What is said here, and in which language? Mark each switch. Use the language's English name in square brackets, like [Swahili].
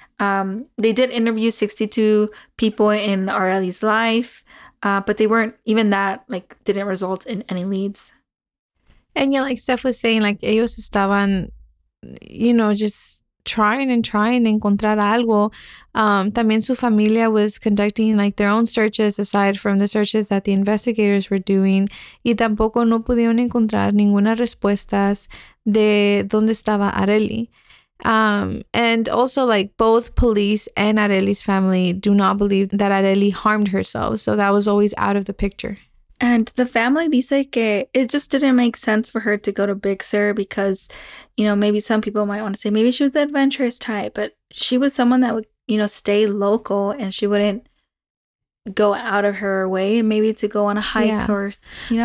[English] They did interview 62 people in Arely's life, but they weren't, even that, like, didn't result in any leads. And yeah, like Steph was saying, like, [Spanish] ellos estaban, [English] you know, just trying and trying to [Spanish] encontrar algo. También su familia [English] was conducting like their own searches aside from the searches that the investigators were doing. [Spanish] Y tampoco no pudieron encontrar ninguna respuestas de dónde estaba Arely. [English] And also, like, both police and Arely's family do not believe that Arely harmed herself. So that was always out of the picture. And the family [Spanish] dice que [English] it just didn't make sense for her to go to Big Sur because, you know, maybe some people might want to say maybe she was the adventurous type, but she was someone that would, you know, stay local and she wouldn't go out of her way maybe to go on a hike or, you know.